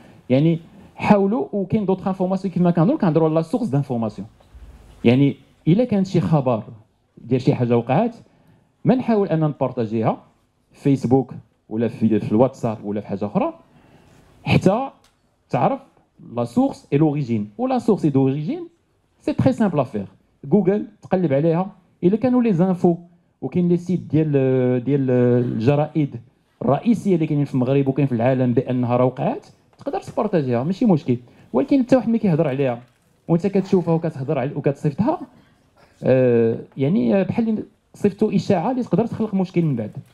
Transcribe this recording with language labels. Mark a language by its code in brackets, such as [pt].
[ar] يعني حاولوا، وكاين دوطخ انفورماسيون كيف ما كنهضروا على لا سورس دانفورماسيون. يعني الا كانت شي خبر ديال شي حاجه وقعات ما نحاول ان نبارطاجيها فيسبوك ولا في الواتساب ولا في حاجة أخرى حتى تعرف [fr] la source et l'origine. Ou la source et l'origine, c'est très simple à faire. [ar] Google, تقلب عليها. إلا كانوا les infos وكاين les sites ديال الجرائد الرئيسية اللي كاينين في المغرب وكاين في العالم بأنها وقعت تقدر تبارطاجيها ماشي مشكل. ولكن حتى واحد ما كيهضر عليها وانت كتشوفها وكتهضر عليها وكتصيفطها يعني بحال صيفطوا اشاعه اللي تقدر تخلق مشكل من بعد.